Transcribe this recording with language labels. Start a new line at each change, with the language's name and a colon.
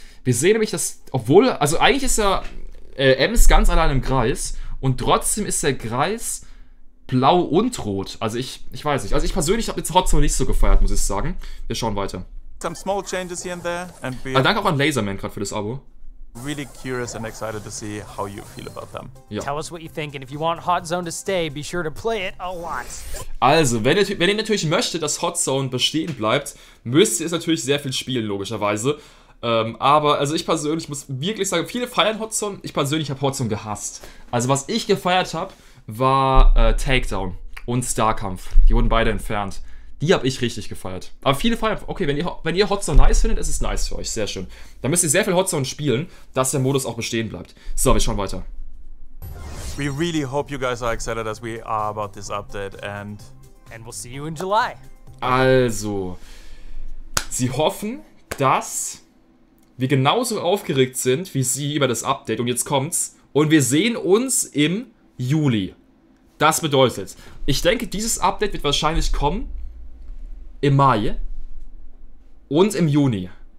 German: Wir sehen nämlich, dass, obwohl, also eigentlich ist ja Ems ganz allein im Kreis und trotzdem ist der Kreis blau und rot. Also ich weiß nicht. Also ich persönlich habe jetzt Hot Zone nicht so gefeiert, muss ich sagen. Wir schauen weiter.
English: Some small changes here and there, and we.
German: Danke auch an Laserman gerade für das Abo.
English: Really curious and excited to see how you feel about them.
German: Ja.
English: Tell us what you think, and if you want Hot Zone to stay, be sure to play it a lot.
German: Also, wenn ihr natürlich möchtet, dass Hot Zone bestehen bleibt, müsst ihr es natürlich sehr viel spielen logischerweise. Aber also ich persönlich muss wirklich sagen, viele feiern Hot Zone. Ich persönlich habe Hot Zone gehasst. Also was ich gefeiert habe, war Takedown und Starkampf. Die wurden beide entfernt. Die habe ich richtig gefeiert. Aber viele feiern, okay, wenn ihr Hot Zone nice findet, ist es nice für euch. Sehr schön. Da müsst ihr sehr viel Hot Zone spielen, dass der Modus auch bestehen bleibt. So, wir schauen weiter.
English: We really hope you guys are excited as we are about this update and... And we'll see you in July.
German: Also, sie hoffen, dass wir genauso aufgeregt sind wie sie über das Update. Und jetzt kommt's. Und wir sehen uns im Juli. Das bedeutet, ich denke, dieses Update wird wahrscheinlich kommen im Mai und im Juni.